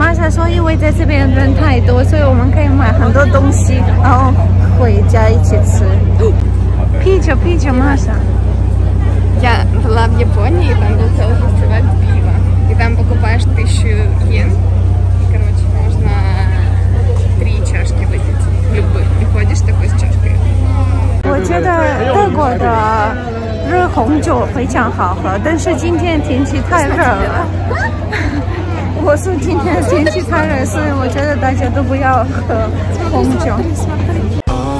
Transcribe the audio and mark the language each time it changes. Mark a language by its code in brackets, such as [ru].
[zh] 说因为在这边人太多，所以我们可以买很多东西，然后回家一起吃。啤酒，啤酒，马上。 [ru] Я была в Японии, там был целый фестиваль пива, и там покупаешь 1000 yen, и короче можно 3 чашки выпить любых, и ходишь такой с чашкой. [zh] 我觉得德国的热红酒非常好喝，但是今天天气太热了。我是今天天气太热，所以我觉得大家都不要喝红酒。